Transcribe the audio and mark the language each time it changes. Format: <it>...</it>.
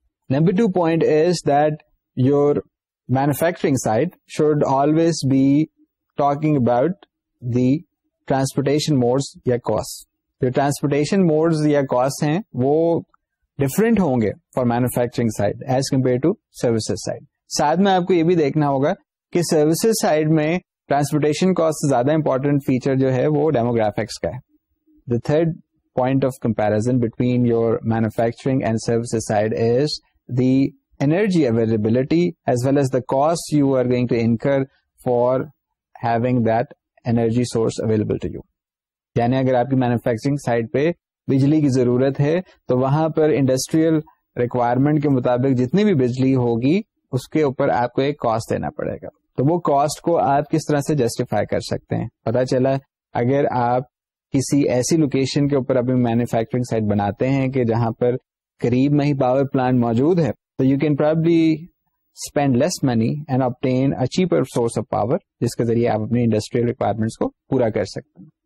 <en>Number two point is that your manufacturing site should always be talking about the transportation modes یا cost.</en> <ur>جو transportation modes یا cost ہیں وہ different ہوں گے</ur> <en>For manufacturing site as compare to services site.</en> <ur>ساتھ میں آپ کو یہ بھی دیکھنا ہوگا کہ سروسز سائٹ میں ٹرانسپورٹیشن کاسٹ زیادہ امپورٹنٹ فیچر جو ہے وہ ڈیموگرافکس کا ہے.</ur> <en>The third point of comparison between your manufacturing and services side is the energy availability as well as the cost you are going to incur for having that energy source available to you.</en> <ur>یعنی اگر آپ کی manufacturing site پہ بجلی کی ضرورت ہے تو وہاں پر انڈسٹریل ریکوائرمنٹ کے مطابق جتنی بھی بجلی ہوگی اس کے اوپر آپ کو ایک کاسٹ دینا پڑے گا. تو وہ کاسٹ کو آپ کس طرح سے جسٹیفائی کر سکتے ہیں؟ پتا چلا اگر آپ کسی ایسی لوکیشن کے اوپر اپنی مینوفیکچرنگ سائٹ بناتے ہیں کہ جہاں پر قریب میں ہی پاور پلانٹ موجود ہے تو</ur> <en>you can probably spend less money and obtain a cheaper source of power</en> <ur>جس کے ذریعے آپ اپنی انڈسٹریل ریکوائرمنٹس کو پورا کر سکتے ہیں.</ur>